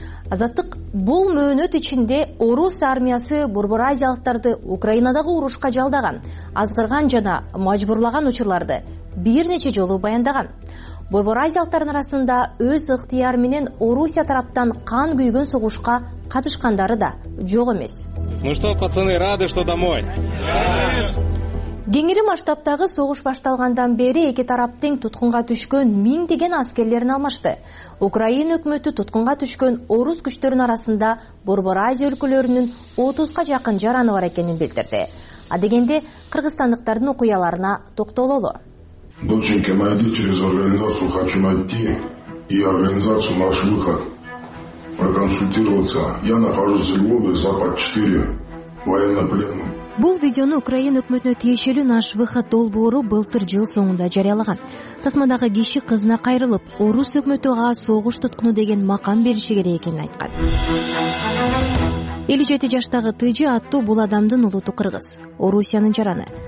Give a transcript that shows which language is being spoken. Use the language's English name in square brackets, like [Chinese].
[Kyrgyz] Азаттык бул мөөнөт ичинде орус армиясы Борбор Азиялыктарды Украинадагы урушка жалдаган, азгырган жана мажбурлаган учурларды бир нече жолу баяндаган. Борбор Азиялыктардын арасында өз ыктыяр менен Орусия тараптан кан күйгөн согушка катышкандары да жок эмес. [Russian] Ну что, пацаны, рады, что домой? [Kyrgyz] Кеңири масштабтагы согуш башталгандан бери эки тарап тең туткунга түшкөн миңдеген аскерлерин алмашты. Украина өкмөтү туткунга түшкөн орус күчтөрүнүн арасында Борбор Азия өлкөлөрүнүн 30 жакын жараны бар экенин билдирди. А дегенде кыргызстандыктардын окуяларына токтололу. Бул чын команда [Russian] через организацию хочу найти и организацию наш выход проконсультироваться. Я нахожусь в Львове, Запад 4, военно-пленум. [Kyrgyz] Бул видеону Украина өкмөтүнө тиешелүү наш выход долбоору былтыр жыл соңунда жарыялаган. Тасмадагы киши кызына кайрылып, орус өкмөтү ага согуш туткуну деген макам бериши керек экенин айткан. 57 жаштагы Тыжы аттуу бул адамдын улуту кыргыз, Орусиянын жараны.